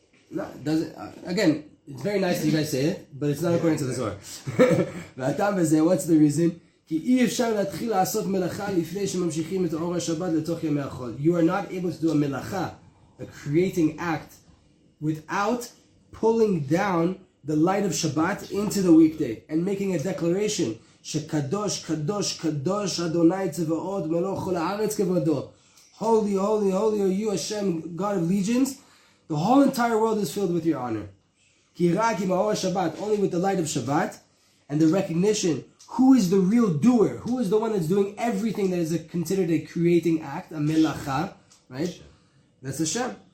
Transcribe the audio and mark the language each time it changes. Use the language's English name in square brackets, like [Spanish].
[English] No, again, it's very nice that you guys say it, but it's not according to the Zohar. [Hebrew] והטעם בזה, [English] what's the reason? [Hebrew] כי אי אפשר להתחיל לעשות מלאכה לפני שממשיכים את אור השבת לתוך ימי החול. [English] You are not able to do a מלאכה, a creating act, without pulling down the light of Shabbat into the weekday and making a declaration. [Hebrew] שקדוש קדוש קדוש אדוני צבאות מלוא כל הארץ כבודו. [English] Holy, holy, holy are you, Hashem, God of legions. The whole entire world is filled with your honor. [Hebrew] כי רק עם האור השבת, [English] only with the light of Shabbat, and the recognition, who is the real doer? Who is the one that's doing everything that is considered a creating act, a melacha, right? That's Hashem.